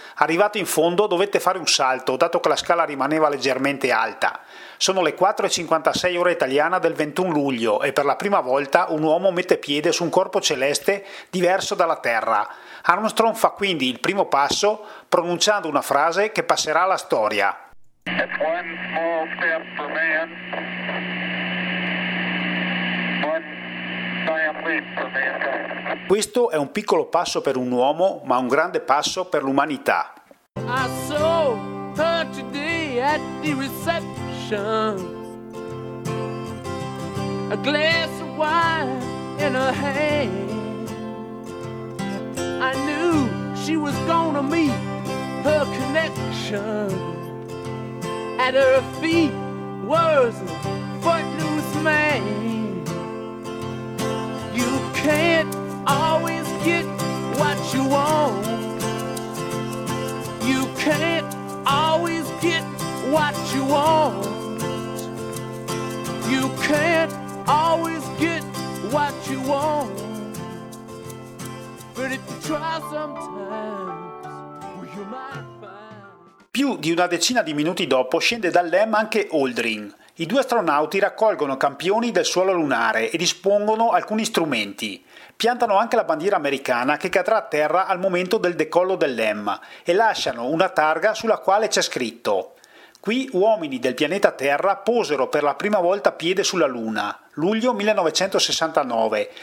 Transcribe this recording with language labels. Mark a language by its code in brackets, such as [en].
[it] Arrivato in fondo dovette fare un salto, dato che la scala rimaneva leggermente alta. Sono le 4:56 ora italiana del 21 luglio e per la prima volta un uomo mette piede su un corpo celeste diverso dalla Terra. Armstrong fa quindi il primo passo pronunciando una frase che passerà alla storia. [en] It's one small step for man, one giant leap for mankind. [it] Questo è un piccolo passo per un uomo, ma un grande passo per l'umanità. [en] I saw her today at the reception. A glass of wine in her hand. I knew she was gonna meet her connection. At her feet was a footloose man. You can't always get what you want. You can't always get what you want. You can't always get what you want. But if you try sometimes, well, you might find. [it] Più di una decina di minuti dopo scende dal LEM anche Aldrin. I due astronauti raccolgono campioni del suolo lunare e dispongono alcuni strumenti. Piantano anche la bandiera americana che cadrà a terra al momento del decollo dell'EM e lasciano una targa sulla quale c'è scritto: qui uomini del pianeta Terra posero per la prima volta piede sulla Luna, luglio 1969.